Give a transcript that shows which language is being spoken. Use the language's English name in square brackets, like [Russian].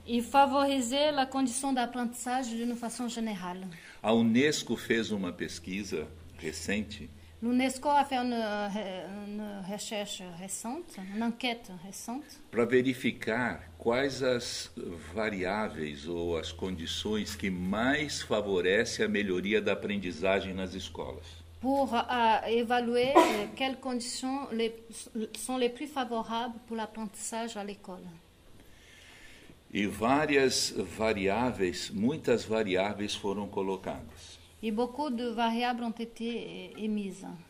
[Portuguese] E favorecer a condição da aprendizagem de uma forma geral. A UNESCO fez uma pesquisa recente. [French] L'UNESCO a fait une recherche récente, une enquête récente. [Portuguese] Para verificar quais as variáveis ou as condições que mais favorecem a melhoria da aprendizagem nas escolas. [French] Pour évaluer quelles conditions sont les plus favorables pour l'apprentissage à l'école. [Portuguese] E várias variáveis, muitas variáveis foram colocadas. [French] E beaucoup de variables ont été émises.